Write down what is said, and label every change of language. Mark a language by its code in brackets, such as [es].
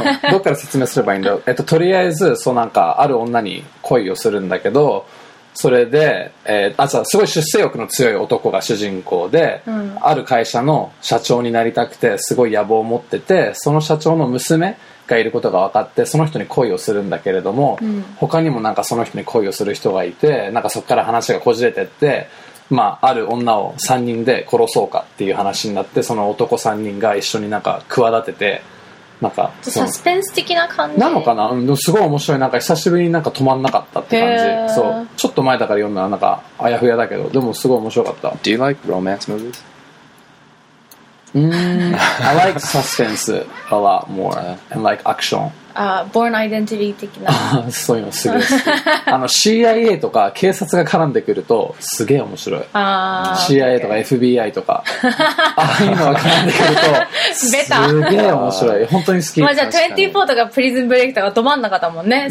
[ja] どっから説明すればいいんだろう。とりあえずそうなんかある女に恋をするんだけど、それで、すごい出世欲の強い男が主人公で、ある会社の社長になりたくてすごい野望を持ってて、その社長の娘がいることが分かってその人に恋をするんだけれども、他にもなんかその人に恋をする人がいて、なんかそこから話がこじれてって、まあ、ある女を3人で殺そうかっていう話になって、その男3人が一緒になんか企てて、なんかサスペンス的な感じなのかな、うん、すごい面白い、なんか久しぶりになんか止まんなかったって感じ。そう、ちょっと前だから読んだらなんかあやふやだけど、でもすごい面白かった。 [en] Do you like romance movies? I like suspense a lot more and like action. [ja] born identity 的な。そういうのすげえ好き。CIA とか警察が絡んでくるとすげえ面白い。あ、 CIA とか FBI とか、ああいうのが絡んでくるとすげえ面白い。本当に好き。まあ、じゃあ24とかプリズンブレイクとかど真ん中だもんね。